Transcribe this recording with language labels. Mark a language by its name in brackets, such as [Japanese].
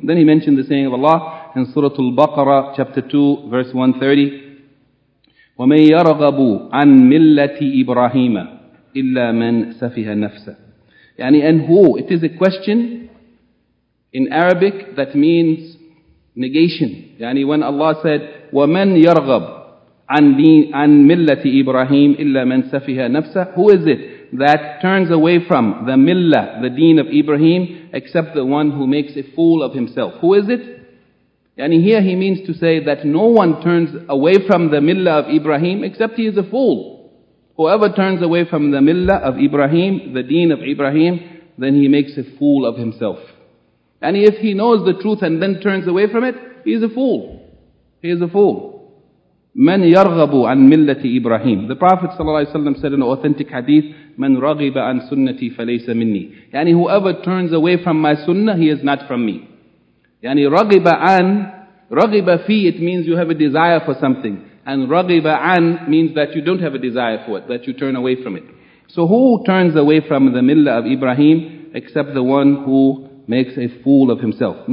[English] Then he mentioned the saying of Allah in Surah Al-Baqarah, chapter 2, verse 130. [Arabic] وَمَنْ يَرَغَبُ عَنْ مِلَّةِ إِبْرَاهِيمَ إِلَّا مَنْ سَفِهَ نَفْسَهُ. يعني, [English] and who? It is a question in Arabic that means negation. [Arabic] يعني [English] when Allah said, [Arabic] وَمَنْ يَرَغَبُ عَنْ مِلَّةِ إِبْرَاهِيمَ إِلَّا مَنْ سَفِهَ نَفْسَهُ. [English] Who is it that turns away from the millah, the deen of Ibrahim, except the one who makes a fool of himself? Who is it? And here he means to say that no one turns away from the millah of Ibrahim except he is a fool. Whoever turns away from the millah of Ibrahim, the deen of Ibrahim, then he makes a fool of himself. And if he knows the truth and then turns away from it, he is a fool. He is a fool. [Arabic] من يرغب عن ملة إبراهيم. [English] The Prophet [Arabic] صلى الله عليه وسلم [English] said in an authentic hadith, [Arabic] من رغب عن سنتي فليس مني. يعني [English] whoever turns away from my sunnah, he is not from me. [Arabic] يعني رغب عن, رغب في, [English] it means you have a desire for something. And [Arabic] رغب عن [English] means that you don't have a desire for it, that you turn away from it. So who turns away from the millah of Ibrahim except the one who makes a fool of himself?